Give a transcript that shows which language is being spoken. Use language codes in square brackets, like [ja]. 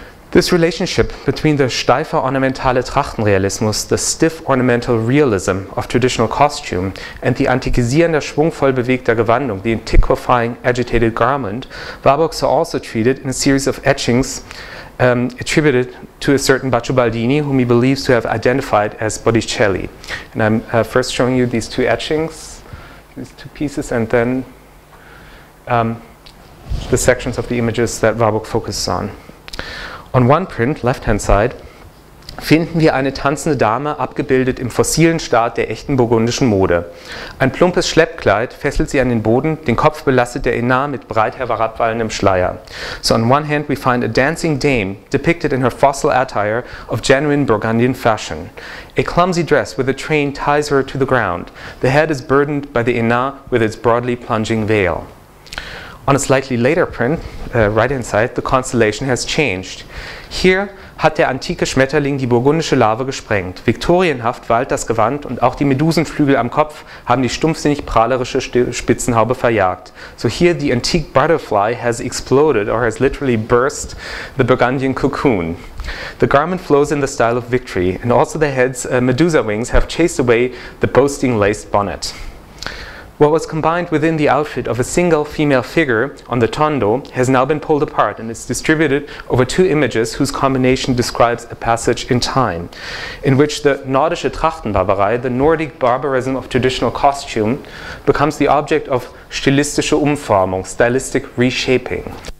[en] This relationship between the [de] steifer ornamentale Trachtenrealismus, [en] the stiff ornamental realism of traditional costume, and the [de] antikisierender schwungvoll bewegter Gewandung, [en] the antiquifying agitated garment, Warburg saw also treated in a series of etchings attributed to a certain Baccio Baldini, whom he believes to have identified as Botticelli. And I'm first showing you these two etchings, these two pieces, and then the sections of the images that Warburg focuses on. On one print, left-hand side, [de] finden wir eine tanzende Dame abgebildet im fossilen Staat der echten burgundischen Mode. Ein plumpes Schleppkleid fesselt sie an den Boden, den Kopf belastet der Enar mit breit herabwallendem Schleier. [en] So on one hand we find a dancing dame depicted in her fossil attire of genuine Burgundian fashion. A clumsy dress with a train ties her to the ground. The head is burdened by the Enar with its broadly plunging veil. On a slightly later print, right-hand side, the constellation has changed. Here [de] hat der antike Schmetterling die burgundische Larve gesprengt. Viktorienhaft wallt das Gewand und auch die Medusenflügel am Kopf haben die stumpfsinnig prahlerische Spitzenhaube verjagt. [en] So here the antique butterfly has exploded or has literally burst the Burgundian cocoon. The garment flows in the style of victory and also the head's Medusa wings have chased away the boasting laced bonnet. What was combined within the outfit of a single female figure on the tondo has now been pulled apart and is distributed over two images whose combination describes a passage in time, in which the [de] Nordische Trachtenbarbarei, [en] the Nordic barbarism of traditional costume, becomes the object of [de] stilistische Umformung, [en] stylistic reshaping.